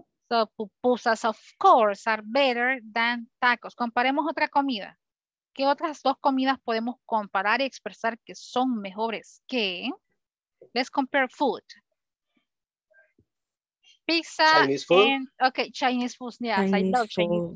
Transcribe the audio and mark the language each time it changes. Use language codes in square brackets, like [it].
[en] So pupusas, of course, are better than tacos. [es] Comparemos otra comida. ¿Qué otras dos comidas podemos comparar y expresar que son mejores que? [en] Let's compare food. Pizza. Chinese food. And, okay, Chinese food. Yes, Chinese I love Chinese food.